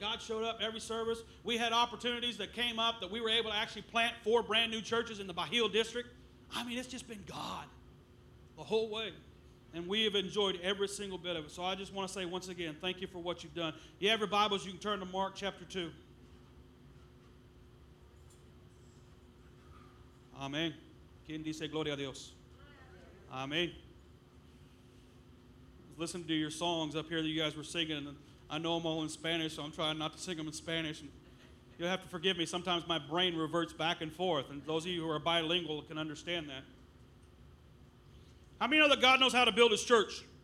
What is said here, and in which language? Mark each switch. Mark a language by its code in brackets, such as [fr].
[en] God showed up every service. We had opportunities that came up that we were able to actually plant 4 brand new churches in the Bajio district. I mean, it's just been God the whole way. And we have enjoyed every single bit of it. So I just want to say once again, thank you for what you've done. If you have your Bibles, you can turn to Mark chapter 2. [es] Amen. ¿Quién dice gloria a Dios? Amen. [en] listening to your songs up here that you guys were singing, and I know them all in Spanish, so I'm trying not to sing them in Spanish. And you'll have to forgive me. Sometimes my brain reverts back and forth, and those of you who are bilingual can understand that. How many know that God knows how to build his church?